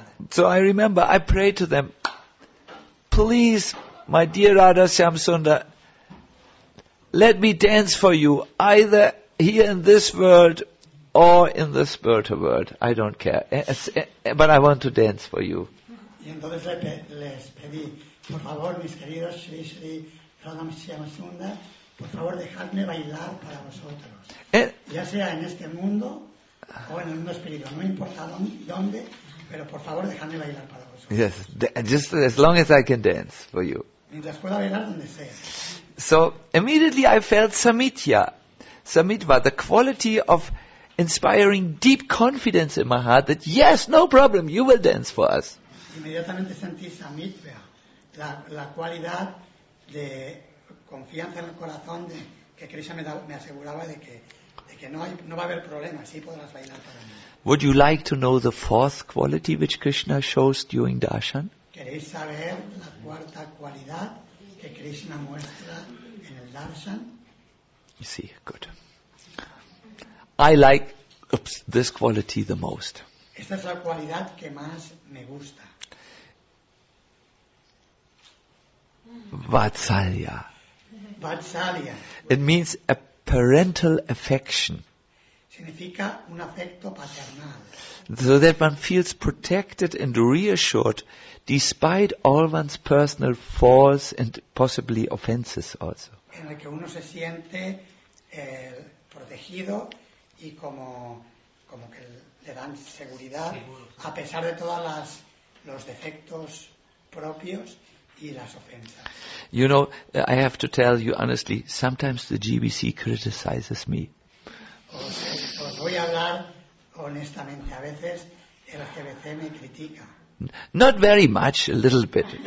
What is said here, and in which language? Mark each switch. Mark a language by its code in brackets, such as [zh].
[en] So I remember I prayed to them, please, my dear Radha Shyamasundar, let me dance for you, either here in this world or in the spiritual world, I don't care. But I want to dance for you. [es] Y entonces les pedí, por favor, mis queridos Sri Sri Radha Shyamasunda, por favor, dejadme bailar para vosotros. Ya sea en este mundo o en el mundo espiritual, no importa dónde, pero por favor, dejadme bailar para vosotros. [en] Yes, just as long as I can dance for you. [es] Mientras pueda bailar donde sea. [en] So, immediately I felt Samitya. Samitva, the quality of inspiring deep confidence in my heart that yes, no problem, you will dance for us. [es] Inmediatamente sentí Samitva, la cualidad de confianza en el corazón de que Krishna me aseguraba de que no va a haber problema, sí podrás bailar para mí. [en] Would you like to know the fourth quality which Krishna shows during darshan? [es] ¿Queréis saber la cuarta cualidad que Krishna muestra en el darshan? Sí, [en] good. I like this quality the most. [es] Esta es la cualidad que más me gusta. [en] Vatsalya. [es] Vatsalya. [en] It means a parental affection. [es] Significa un afecto paternal. [en] So that one feels protected and reassured despite all one's personal faults and possibly offenses also. [es] En el que uno se siente protegido y como que le dan seguridad a pesar de todas los defectos propios y las ofensas. [en] You know, I have to tell you honestly, sometimes the GBC criticizes me. [es] Os voy a hablar honestamente, a veces el GBC me critica. [en] Not very much, a little bit.